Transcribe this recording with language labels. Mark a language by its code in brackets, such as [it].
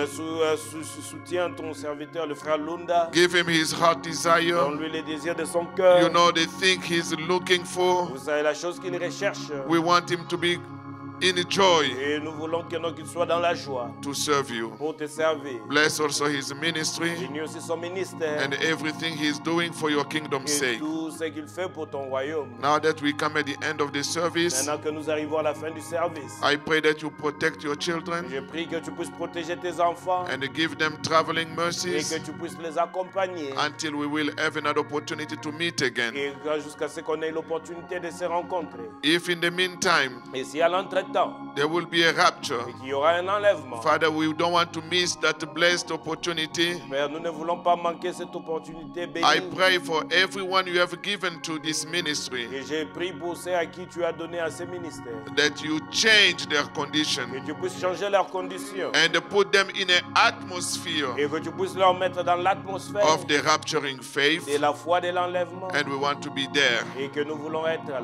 [fr] Soutiens ton serviteur, le frère Lunda. [en] Give him his heart desire. [fr] Donne-lui les désirs de son cœur. [en] You know the thing he's looking for. [fr] Vous savez la chose qu'il recherche. [en] We want him to be in joy. [fr] Et nous voulons que donc il soit dans la joie. [en] To serve you. [fr] Pour te servir. [en] Bless also his ministry. [fr] Bénis aussi son ministère. [en] And everything he is doing for your kingdom's sake. [fr] Et tout ce qu'il fait pour ton royaume. [en] Now that we come at the end of the service. [fr] Maintenant que nous arrivons à la fin du service. [en] I pray that you protect your children. [fr] Je prie que tu puisses protéger tes enfants. [en] And give them traveling mercies. [fr] Et que tu puisses les accompagner. [en] Until we will have another opportunity to meet again. [fr] Et jusqu'à ce qu'on ait l'opportunité de se rencontrer. [en] If in the meantime. [fr] Et si à l'entrée [en] there will be a rapture. [fr] Et qu'il y aura un enlèvement. [en] Father, we don't want to miss that blessed opportunity. [fr] Père, nous ne voulons pas manquer cette opportunité bénie. [en] I pray for everyone you have given to this ministry. [fr] Et je prie pour ceux à qui tu as donné à ce ministère. [en] That you change their condition. [fr] Que tu puisses changer leur condition. [en] And put them in an atmosphere. [fr] Et que tu puisses leur mettre dans l'atmosphère. [en] Of the rapturing faith. [fr] De la foi de l'enlèvement. [en] And we want to be there. [fr] Et que nous voulons être là.